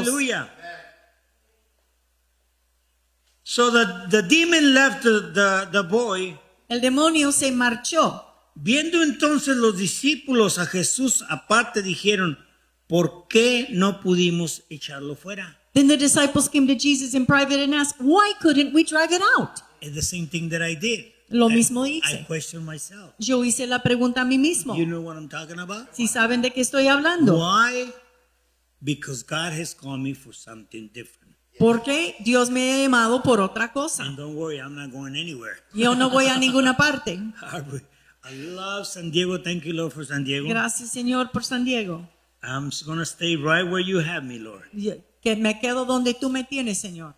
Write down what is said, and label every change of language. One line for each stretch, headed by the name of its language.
English: Hallelujah. So the demon left the boy.
Spanish: El demonio se marchó. Viendo entonces los discípulos a Jesús, aparte dijeron, ¿por qué no pudimos echarlo fuera?
English: Then the disciples came to Jesus in private and asked, why couldn't we drive it out? It's the same thing that I did.
Spanish: Lo mismo hice.
English: I questioned myself.
Spanish: Yo hice la pregunta a mí mismo.
English: You know what I'm talking about?
Spanish: ¿Sí saben de qué estoy hablando?
English: Why? Because God has called me for something different.
Spanish: Porque Dios me ha llamado por otra cosa.
English: And don't worry, I'm not going anywhere.
Spanish: Yo no voy a ninguna parte.
English: I love San Diego. Thank you, Lord, for San Diego.
Spanish: Gracias, Señor, por San Diego.
English: I'm just going to stay right where you have me, Lord.
Spanish: Que me quedo donde tú me tienes, Señor.